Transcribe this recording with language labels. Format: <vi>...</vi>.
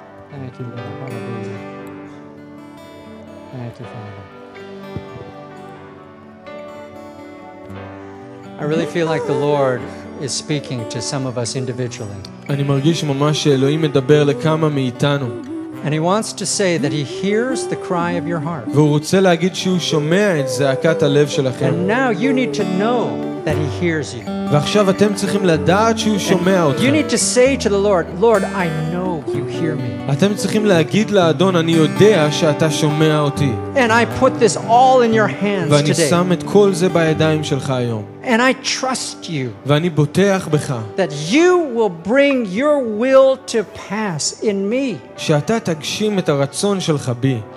<en>Thank you, Lord. Hallelujah. Thank you, Father. I really feel like the Lord is speaking to some of us individually.</en> <he>אני מרגיש ממש שאלוהים מדבר לכמה מאיתנו.</he> <en>And he wants to say that he hears the cry of your heart.</en> <he>והוא רוצה להגיד שהוא שומע את זעקת הלב שלכם.</he> <en>And now you need to know that he hears you.</en> <he>ועכשיו אתם צריכים לדעת שהוא שומע אותך.</he> <en>You need to say to the Lord, Lord, I know you hear me.</en> <he>אתם צריכים להגיד לאדון, אני יודע שאתה שומע אותי.</he> <en>And I put this all in your hands today.</en> <he>ואני שם את כל זה בידיים שלך היום.</he> <en>And I trust you.</en> <he>ואני בוטח בך.</he> <en>That you will bring your will to pass in me.</en> <he>שאתה תגשים את הרצון שלך בי.</he>